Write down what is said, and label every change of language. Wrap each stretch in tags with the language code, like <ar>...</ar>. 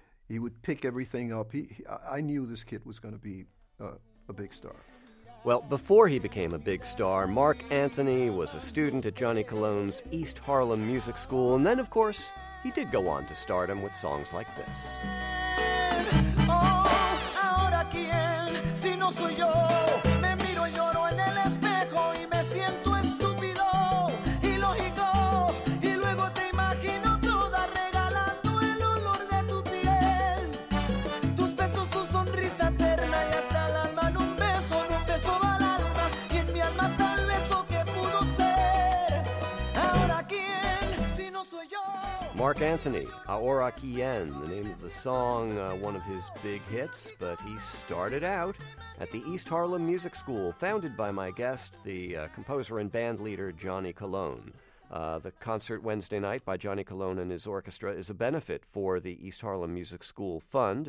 <en>He would pick everything up. I knew this kid was going to be a big star. Well, before he became a big star, Mark Anthony was a student at Johnny Colon's East Harlem Music School. And then, of course, he did go on to stardom with songs like this.</en> <es>Oh, ahora quién, si no soy yo. Me miro y lloro en el espejo y me siento estúpido. Ilógico, y luego te imagino toda regalando el olor de tu piel. Tus besos, tu sonrisa eterna y hasta el alma en un beso. En un beso va el alma y en mi alma está el beso que pudo ser. Ahora quién, si no soy yo.</es> <en>Mark Anthony, Ahora Quien, the name of the song, one of his big hits, but he started out at the East Harlem Music School, founded by my guest, the composer and band leader, Johnny Colon. The concert Wednesday night by Johnny Colon and his orchestra is a benefit for the East Harlem Music School Fund.</en>